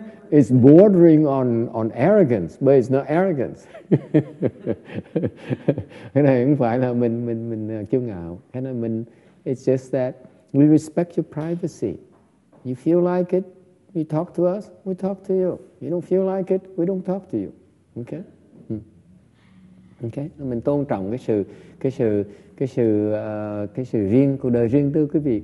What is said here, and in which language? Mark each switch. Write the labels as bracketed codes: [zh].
[en] It's bordering on arrogance, but it's not arrogance. [vi] Cái này không phải là mình kiêu ngạo. Cái này mình, [en] it's just that we respect your privacy. You feel like it, you talk to us, we talk to you. You don't feel like it, we don't talk to you. Okay? Okay. [vi] Mình tôn trọng cái sự riêng, cuộc đời riêng tư quý vị.